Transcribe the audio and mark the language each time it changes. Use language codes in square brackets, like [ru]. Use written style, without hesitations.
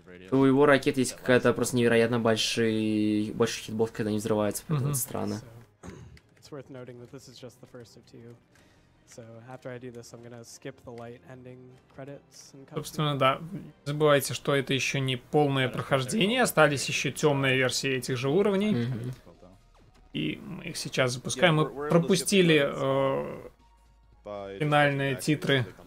[ru] У его ракеты есть какая-то просто невероятно большой хитбокс, когда они взрываются, поэтому это странно. [en] It's worth noting that this is just the first of two. So after I do this, I'm gonna skip the light ending credits. [ru] Собственно, да. Не забывайте, что это еще не полное прохождение, остались еще темные версии этих же уровней. И мы их сейчас запускаем. Мы пропустили финальные титры.